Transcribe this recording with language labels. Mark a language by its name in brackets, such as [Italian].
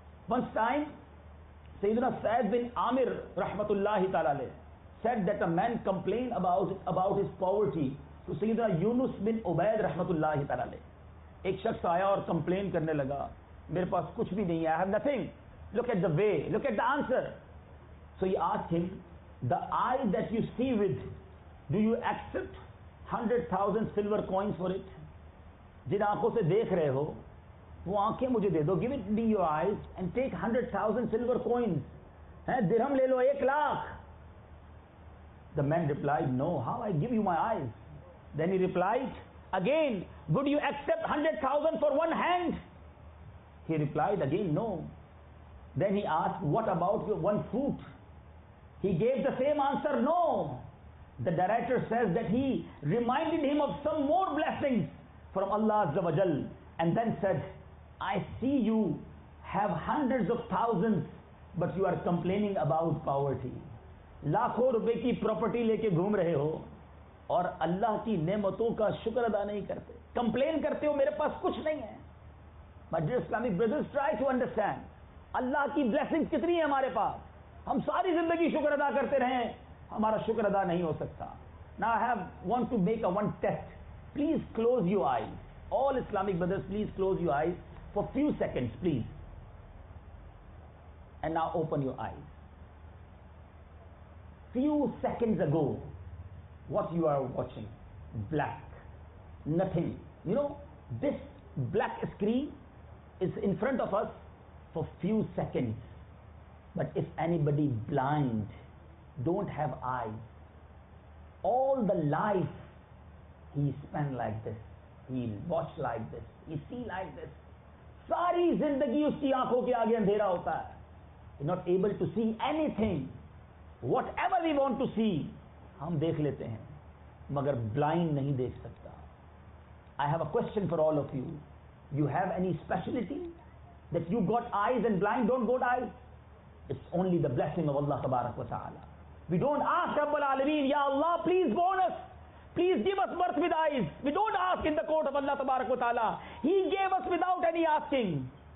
[English] Once time سیدنا سعید بن عامر رحمت اللہ تعالیٰ علیہ said that a man complained about his poverty to سیدنا یونس بن عبید رحمت اللہ تعالیٰ علیہ. [Urdu] ایک شخص آیا اور کمپلین کرنے لگا, میرے پاس کچھ بھی نہیں ہے, [English] I have nothing. Look at the way, look at the answer. So he asked him, the eye that you see with, do you accept 100,000 silver coins for it? [Urdu] Jin aankhon se dekh rahe ho, wo aankhein mujhe de do. [English] Give it me your eyes and take 100,000 silver coins. [Urdu] Dirham le lo, [English] 1,00,000. The man replied, no, how I give you my eyes? Then he replied, again, would you accept 100,000 for one hand? He replied again, no. Then he asked, what about your one foot? He gave the same answer, no. The narrator says that he reminded him of some more blessings from Allah Azza wa Jal and then said, I see you have hundreds of thousands, but you are complaining about poverty. [Urdu] لاکھوں روپے کی property لے کے گھوم رہے ہو اور اللہ کی نعمتوں کا شکر ادا نہیں کرتے, کمپلین کرتے ہو میرے پاس کچھ نہیں ہے. [English] My dear Islamic brothers, try to understand, [Urdu] اللہ کی بلیسنگ کتنی ہے ہمارے پاس, ہم ساری زندگی شکر ادا کرتے رہیں, ہمارا شکر ادا نہیں ہو سکتا. [English] Now I have want to make a one test. Please close your eyes. All Islamic brothers, please close your eyes for few seconds, please. And now open your eyes. Few seconds ago, what you are watching? Black. Nothing. You know, this black screen is in front of us for few seconds. But if anybody blind, don't have eyes, all the life he spent like this, he watch like this, he see like this, [Urdu] sari zindagi uski aankhon ke aage andhera hota hai. [English] You're not able to see anything. Whatever we want to see, [Urdu] ہم دیکھ لیتے ہیں مگر blind نہیں دیکھ سکتا. [English] I have a question for all of you. You have any speciality that you got eyes and blind don't got eyes? It's only the blessing of Allah تبارک و تعالی. We don't ask رب العالمین, Ya Allah, please born us, please give us birth with eyes. We don't ask in the court of Allah تبارک و تعالی. He gave us without any asking.